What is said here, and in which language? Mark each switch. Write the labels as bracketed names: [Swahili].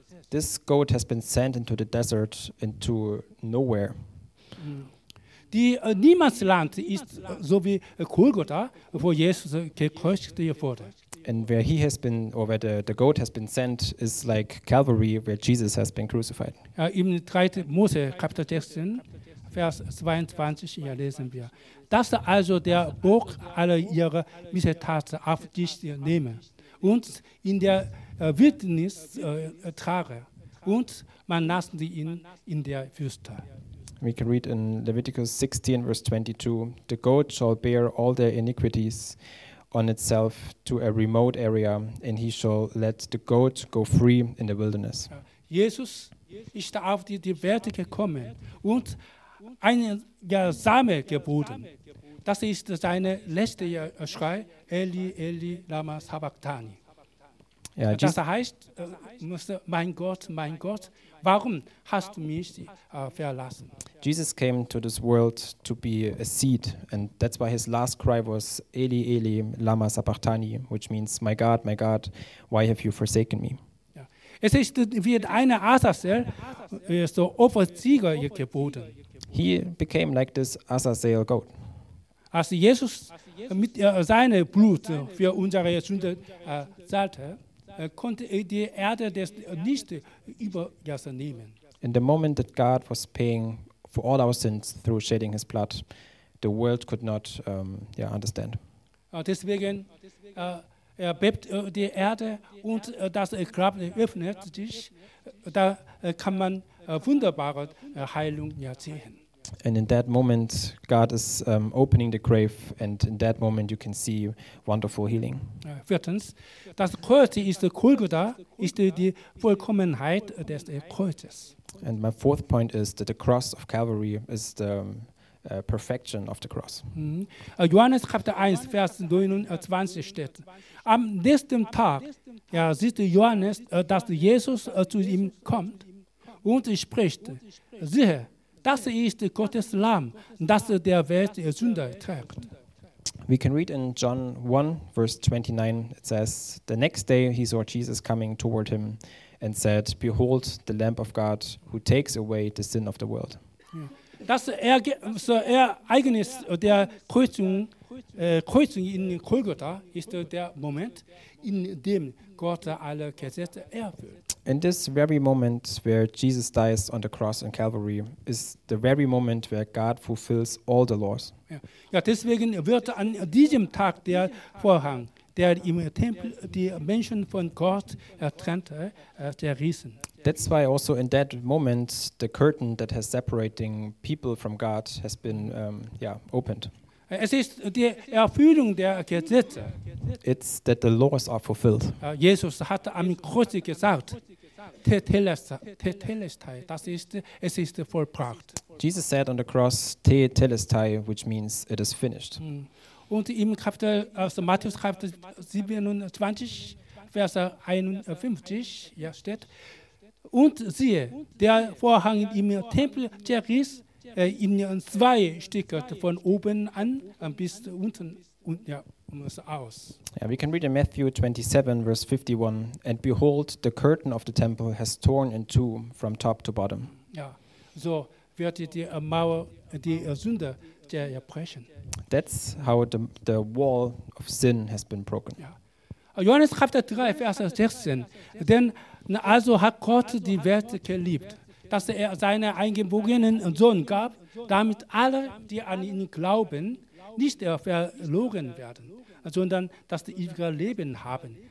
[English] This goat has been sent into the desert, into nowhere. [German] Die Niemandsland ist so wie Golgotha, wo Jesus gekreuzigt wurde. [English] And where he has been, or where the goat has been sent, is like Calvary, where Jesus has been crucified. [German] Im 3. Mose, Kapitel 16, Vers 22, hier lesen wir. Dass also der Bock alle ihre Missetaten auf dich nehme und in der Wildnis trage und man lasse ihn in der Wüste. [English] We can read in Leviticus 16, verse 22, the goat shall bear all their iniquities on itself to a remote area, and he shall let the goat go free in the wilderness. [German] Jesus ist auf die Welt gekommen und ein Same geboten. Das ist seine letzte Schrei, [Aramaic] Eli, Eli, lama sabachthani. [German] Ja, das heißt, mein Gott, warum hast du mich verlassen? [English] Jesus came to this world to be a seed, and that's why his last cry was [Aramaic] Eli, Eli, lama sabachthani, [English] which means my God, why have you forsaken me? [German] Ja. Es ist wie eine Azazel, so Opferzieger geboten. [English] He became like this Azazel goat. [German] Als Jesus mit seine Blut für unsere Sünde zahlte, konnte die Erde das nicht übernehmen. [English] In the moment that God was paying for all our sins through shedding his blood, the world could not understand. [German] Deswegen bebt die Erde und das Grab öffnet sich, da kann man wunderbare Heilung sehen. [English] And in that moment, God is opening the grave, and in that moment, you can see wonderful healing. [German] Viertens, das Kreuz ist Golgotha, ist die Vollkommenheit des Kreuzes. [English] And my fourth point is that the cross of Calvary is the perfection of the cross. [German] Johannes Kapitel 1, Vers 29 steht, am nächsten Tag sieht Johannes, dass Jesus zu ihm kommt und spricht, siehe, das ist Gottes Lamm, das der Welt Sünde trägt. [English] We can read in John 1, verse 29, it says, the next day he saw Jesus coming toward him and said, behold, the Lamb of God, who takes away the sin of the world. [German] Das Ereignis der Kreuzung in Golgotha ist der Moment, in dem Gott alle Gesetze erfüllt. [English] In this very moment where Jesus dies on the cross in Calvary is the very moment where God fulfills all the laws. [German] Ja, deswegen wird an diesem Tag der Vorhang, der im Tempel die Menschen von Gott trennte, zerrissen. [English] That's why also in that moment the curtain that has separating people from God has been opened. [German] Es ist die Erfüllung der Gesetze. [English] It's that the laws are fulfilled. [German] Jesus hat am Kreuz gesagt, Tetelestai, das ist, es ist vollbracht. [English] Jesus said on the cross, Tetelestai, which means it is finished. [German] Und im Kapitel, also Matthäus Kapitel 27, Vers 51, ja, steht, und siehe, der Vorhang im Tempel zerriss, in zwei Stücke von oben an bis unten und aus. [English] Yeah, we can read in Matthew 27, verse 51, and behold, the curtain of the temple has torn in two from top to bottom. [German] Ja, so wird die Mauer die Sünde zerbrechen. [English] That's how the wall of sin has been broken. Yeah. [German] Johannes Kapitel 3, Vers 16, denn also hat Gott die Welt geliebt, dass seinen eingeborenen Sohn gab, damit alle, die an ihn glauben, nicht verloren werden, sondern dass sie ewiges Leben haben.